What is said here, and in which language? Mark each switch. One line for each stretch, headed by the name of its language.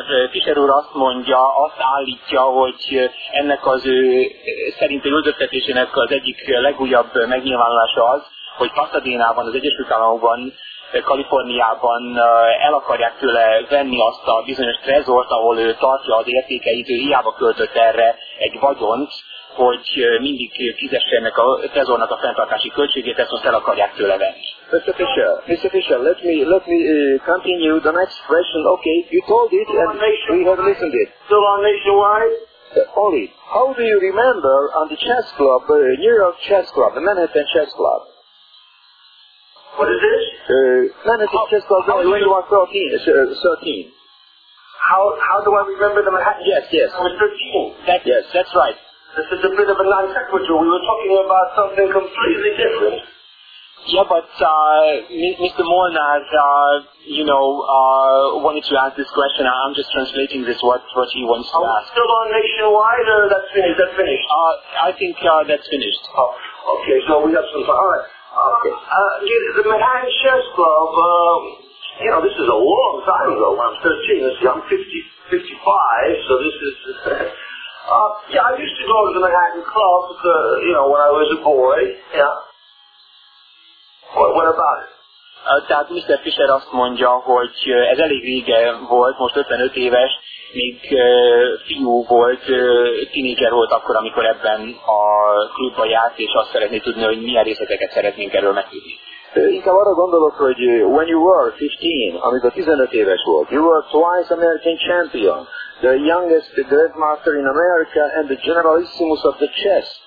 Hungarian: Fischer úr azt mondja, azt állítja, hogy ennek az ő szerint üldöztetésének az egyik legújabb megnyilvánulása az, hogy Pasadena-ban, az Egyesült Államokban, Kaliforniában el akarják tőle venni azt a bizonyos trezort, ahol ő tartja az értékeit, ő hiába költött erre egy vagyont, hogy mindig fizesse ennek a trezornak a fenntartási költségét, ezt most el akarják tőle venni.
English: Mr. Fischer, let me continue the next question. Okay, you told it and we have listened it. Still on nationwide? Oli, how do you remember on the chess club, New York Chess Club, the Manhattan Chess Club? What is this? Manhattan, 13. How do I remember the Manhattan? Yes. I was 13. That's right. This is a bit of a non sequitur. We were talking about something completely different. Yeah, but Mr. Moon has, wanted to ask this question. I'm just translating this, what he wants to ask. Are we still on nationwide, or that's finished? I think that's finished. Oh, okay, so we have some time. All right. Okay. The Manhattan Chess Club, this is a long time ago. When I'm 13, let's see, I'm 55, so this is... I used to go to the Manhattan Club, when I was a boy, yeah. What about it?
Hungarian: Tehát Mr. Fischer azt mondja, hogy ez elég régen volt, most 55 éves, még fiú volt, tínédzser volt akkor, amikor ebben a klubban járt, és azt szeretné tudni, hogy milyen részleteket szeretnénk erről megtudni. Inkább arra gondolok, hogy
English: when you were 15,
Hungarian: amikor 15 éves volt,
English: you were twice American champion, the youngest grandmaster in America and the generalissimus of the chess.